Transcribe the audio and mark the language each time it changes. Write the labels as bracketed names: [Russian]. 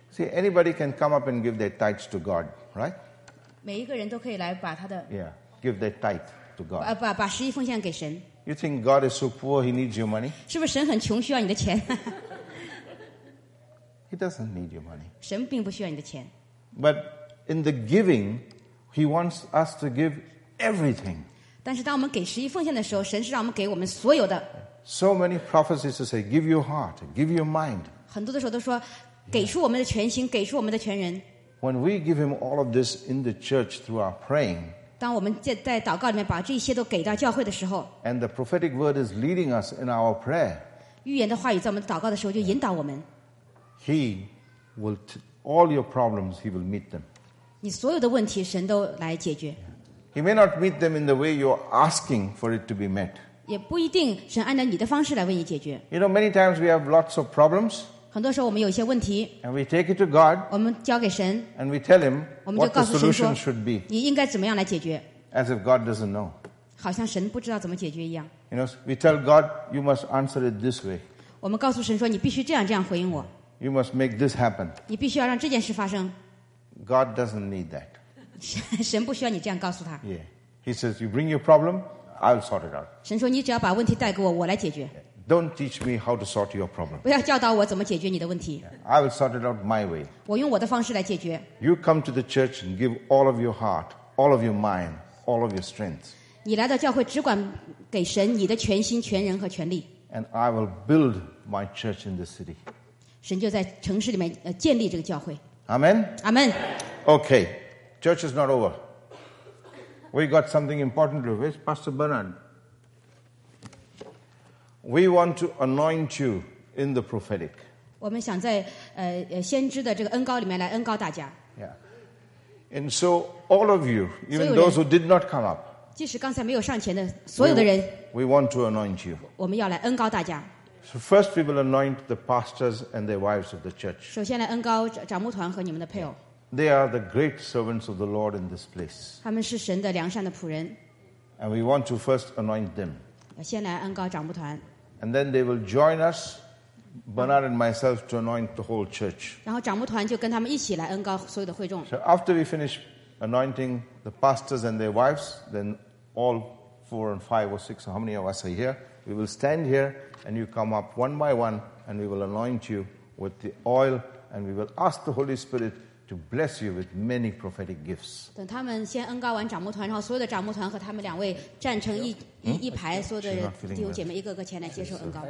[English] See, anybody can come up and give their tithes to God, right? [Chinese] 每一个人都可以来把他的。 [English] Yeah. Give their tithe to God. [Chinese] 把十一奉献给神。 [English] You think God is so poor? He needs your money. [Chinese] 是不是神很穷，需要你的钱 [English] ？He doesn't need your money. [Chinese] 神并不需要你的钱。 [English] But in the giving, He wants us to give everything. [Chinese] 但是当我们给十一奉献的时候，神是让我们给我们所有的。 [English] So many prophecies to say, give your heart, give your mind. [Chinese] 很多的时候都说，给出我们的全心，给出我们的全人。 [English] When we give Him all of this in the church through our praying. [Chinese] 当我们在祷告里面把这些都给到教会的时候 [English] ，and the prophetic word is leading us in our prayer， [Chinese] 预言的话语在我们祷告的时候就引导我们。 [English] He will all your problems. He will meet them. [Chinese] 你所有的问题神都来解决。 [English] He may not meet them in the way you're asking for it to be met. [Chinese] 也不一定神按照你的方式来为你解决。 [English] You know, many times we have lots of problems. [Chinese] 很多时候我们有一些问题。 [English] And we take it to God. [Chinese] 我们交给神。 [English] And we tell him. [Chinese] 我们就告诉神说 [English] what the solution should be. [Chinese] 你应该怎么样来解决 [English] As if God doesn't know. [Chinese] 好像神不知道怎么解决一样 [English] You know, we tell God, you must answer it this way. [Chinese] 我们告诉神说你必须这样回应我 [English] You must make this happen. [Chinese] 你必须要让这件事发生 [English] God doesn't need that. [Chinese] 神不需要你这样告诉他 [English] Yeah. He says, you bring your problem, I'll sort it out. [Chinese] 神说你只要把问题带给我来解决 [English] Don't teach me how to sort your problem. [Chinese] 不要教导我怎么解决你的问题 [English] I will sort it out my way. [Chinese] 我用我的方式来解决 [English] You come to the church and give all of your heart, all of your mind, all of your strength. [Chinese] 你来到教会只管给神你的全心、全人和全力 [English] And I will build my church in the city. [Chinese] 神就在城市里面建立这个教会 [English] Amen? Amen. Okay, church is not over. We got something important to do. Where's Pastor Bernard? We want to anoint you in the prophetic. [Chinese] 我们想在先知的这个恩膏里面来恩膏大家。 [English] Yeah. And so all of you, even those who did not come up, [Chinese] 即使刚才没有上前的所有的人 [English] we want to anoint you. [Chinese] 我们要来恩膏大家。 [English] So first we will anoint the pastors and their wives of the church. [Chinese] 首先来恩膏长牧团和你们的配偶。 [English] They are the great servants of the Lord in this place. [Chinese] 他们是神的良善的仆人。 [English] And we want to first anoint them. [Chinese] 先来恩膏长牧团。 [English] And then they will join us, Bernard and myself, to anoint the whole church. [Chinese] 然后长牧团就跟他们一起来恩膏所有的会众。 [English] So after we finish anointing the pastors and their wives, then all four and five or six, or how many of us are here, we will stand here and you come up one by one and we will anoint you with the oil and we will ask the Holy Spirit to bless you with many prophetic gifts. [Chinese] 等他们先恩膏完长牧团，然后所有的长牧团和他们两位站成一排，所有的弟兄姐妹一个个前来接受恩膏。